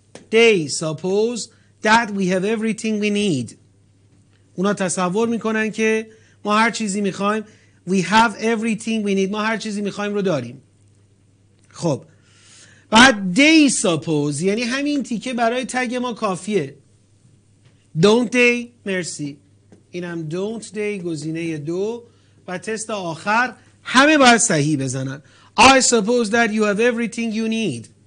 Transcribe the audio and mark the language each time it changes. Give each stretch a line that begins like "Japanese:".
English: They suppose that we have everything we need.
Persian: اونا تصور میکنن که ما هر چیزی میخوایم،
English: we have everything we need،
Persian: ما هر چیزی میخوایم رو داریم. خب بعد
English: they suppose
Persian: یعنی همین تیکه برای تگ ما کافیه.
English: don't they،
Persian: مرسی، اینم
English: don't they،
Persian: گزینه 2. و تست آخر همه باید صحیح بزنن.
English: I suppose that you have everything you need.